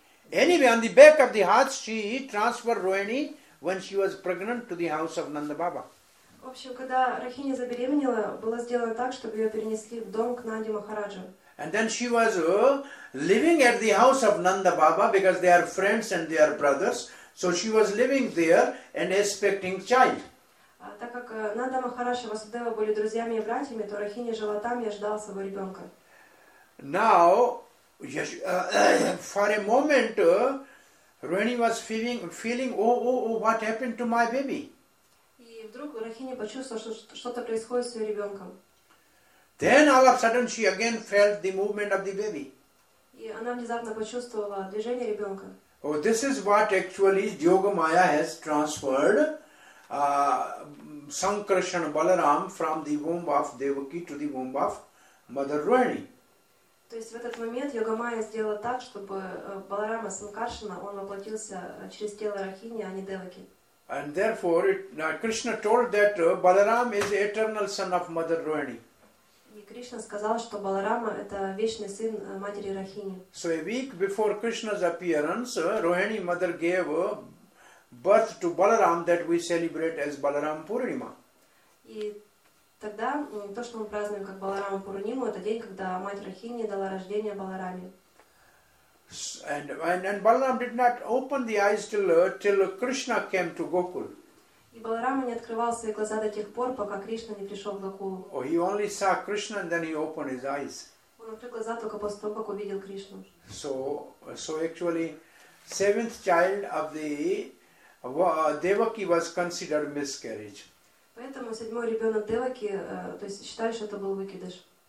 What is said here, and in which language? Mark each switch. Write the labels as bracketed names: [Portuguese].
[English] Anyway, on the back of the horse, she transferred Rohini when she was pregnant to the house of Nanda Baba. [Russian] В общем, когда Рахини забеременела, было сделано так, чтобы ее перенесли в дом к Нанди Махараджу. [English] And then she was living at the house of Nanda Baba because they are friends and they are brothers. So she was living there and expecting child. [Russian] Так как Нанда Махараш и Васудева были друзьями и братьями, то Рахини жила там и ждала своего ребенка. [English] Now, for a moment, Rani was feeling, oh, what happened to my baby? [Russian] И вдруг Рахини почувствовала, что что-то происходит с ее ребенком. [English] Then all of a sudden she again felt the movement of the baby. [Russian] И она внезапно почувствовала движение ребенка. [English] Oh, this is what actually Yoga Maya has transferred Sankarshan Balaram from the womb of Devaki to the womb of Mother Rohini. [Russian] То есть в этот момент Йога Майя сделала так, чтобы Баларама Санкаршана, он воплотился через тело Рахини, а не Деваки. [English] And therefore, Krishna told that Balaram is the eternal son of Mother Rohini. [Russian] И Кришна сказал, что Баларама – это вечный сын матери Рахини. [English] So a week before Krishna's appearance, Rohini mother gave birth to Balaram that we celebrate as Balaram Purnima. [Russian] И тогда то, что мы празднуем как Баларам Пурниму, это день, когда мать Рахини дала рождение Баларами. [English] And Balaram did not open the eyes till Krishna came to Gokul. [Russian] И Баларама не открывал свои глаза до тех пор, пока Кришна не пришел в Гокулу. [English] Oh, he only saw Krishna and then he opened his eyes. [Russian] Он открыл глаза только после того, как увидел Кришну. [English] So actually, seventh child of the Devaki was considered miscarriage. [Russian] Поэтому седьмой ребенок Деваки, то есть считали, что это был выкидыш.